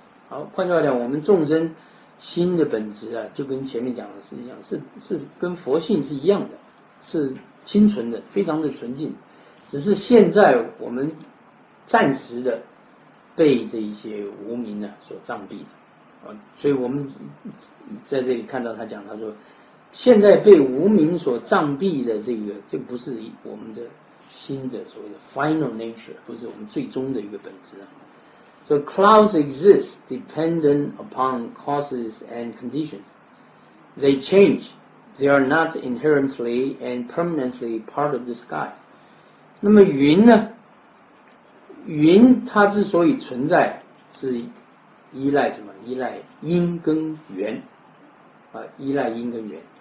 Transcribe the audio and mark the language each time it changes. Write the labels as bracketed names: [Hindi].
[Chinese] 好，换句话讲，我们众生心的本质啊，就跟前面讲的是一样，是跟佛性是一样的，是清纯的，非常的纯净，只是现在我们暂时的被这一些无明呢、啊、所障蔽的、啊、所以我们在这里看到他讲，他说现在被无明所障蔽的这个不是我们的心的所谓的 final nature， 不是我们最终的一个本质。 [English] So clouds exist dependent upon causes and conditions. They change. They are not inherently and permanently part of the sky. [Chinese] 那么云呢，云它之所以存在是依赖什么？依赖因跟缘、啊、依赖因跟缘。